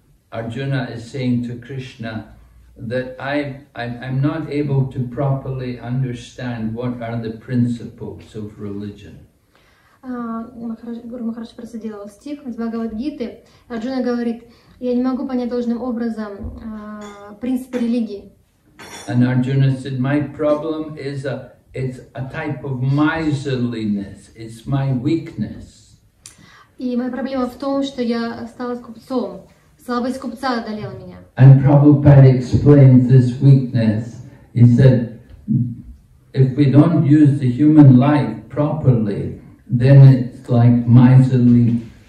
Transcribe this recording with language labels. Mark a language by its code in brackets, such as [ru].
[en] Арджуна is saying to Krishna that I'm not able to properly understand what are the principles of religion. [ru] Гуру Махарадж процитировал стих из Бхагавад-гиты. Арджуна говорит, я не могу понять должным образом принципы религии. [en] And Arjuna said, my problem is it's a type of miserliness. It's my weakness. [ru] И моя проблема в том, что я стала скупцом. Слабость купца одолела меня. [en] And Prabhupada explains this weakness. He said, if we don't use the human life properly, then it's like miserliness.